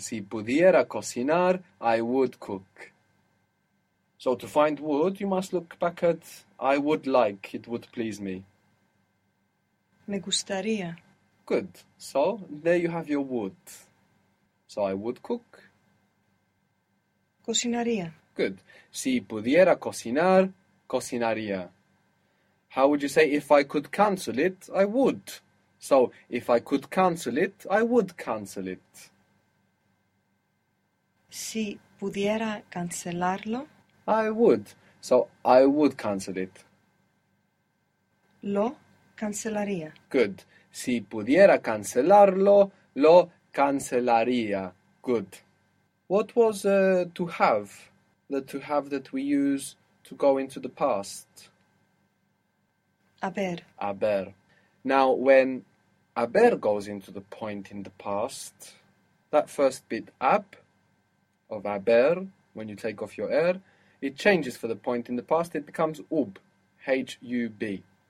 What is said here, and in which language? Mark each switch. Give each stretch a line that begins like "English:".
Spanish: Si pudiera cocinar,
English: I would cook. So to find would, you must look back at I would like, it would please me.
Spanish: Me gustaría.
English: Good. So there you have your would. So I would cook.
Spanish: Cocinaría.
English: Good.
Spanish: Si pudiera cocinar, cocinaría.
English: How would you say if I could cancel it, I would? So, if I could cancel it, I would cancel it.
Spanish: Si pudiera cancelarlo,
English: I would. So, I would cancel it.
Spanish: lo cancelaría.
English: Good.
Spanish: Si pudiera cancelarlo, lo cancelaría.
English: Good. What was to have? The to have that we use to go into the past.
Spanish: A ver. Haber.
English: Now, when haber goes into the point in the past, that first bit ab of haber, when you take off your er, it changes for the point in the past, it becomes ub, HUB.